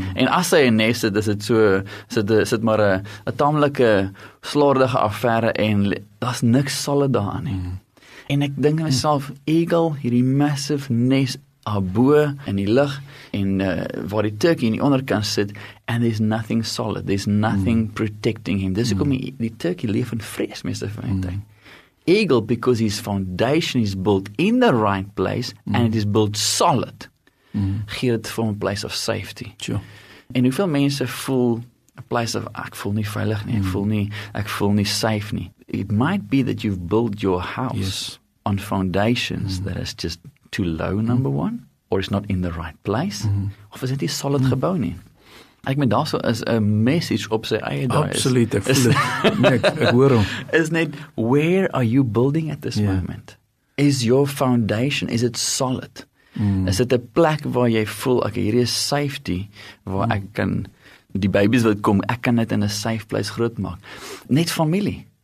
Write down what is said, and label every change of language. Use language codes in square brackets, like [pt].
[af] En as hy 'n nes het, is dit so, sit maar 'n tamelike slordige affære en daar's niks solid daar nie. En ek dink aan myself, eagle, hierdie massive nest abo in die lug en waar die turkey in die onderkant sit, [en] and there's nothing solid, there's nothing protecting him. [af] Dis hoekom die turkey leef in vrees, meeste van die tyd. [en] Eagle, because his foundation is built in the right place, and it is built solid, [af] gee dit vir 'n [en] place of safety. Sure. [af] En hoeveel mense voel, [en] a place of, [af] ek voel nie veilig nie, ek voel nie safe nie. [en] It might be that you've built your house yes. on foundations that is just too low, number one, or it's not in the right place, [af] of is it nie solid gebou nie. Ek meen, daarso is a message op sy eie daar. Absoluut, ek voel ek hoor hom. [en] Is net, where are you building at this moment? Is your foundation, is it solid? Is it a [af] plek waar jy voel, okay, hier is safety, waar ek kan, die babies wil kom, ek kan dit in a safe place groot maak. Net familie.